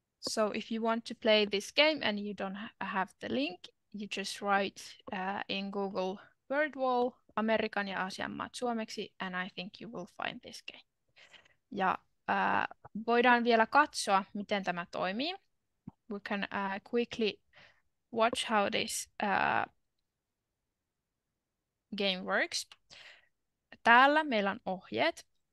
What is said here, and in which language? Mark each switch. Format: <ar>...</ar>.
<en>So if you want to play this game and you don't have the link, you just write in Google Wordwall</en> <fi>Amerikan ja Aasian maat suomeksi,</fi> <en>and I think you will find this game.</en> <fi>Ja voidaan vielä katsoa, miten tämä toimii.</fi> <en>We can quickly watch how this game works.</en> <fi>Täällä meillä on ohjeet.</fi>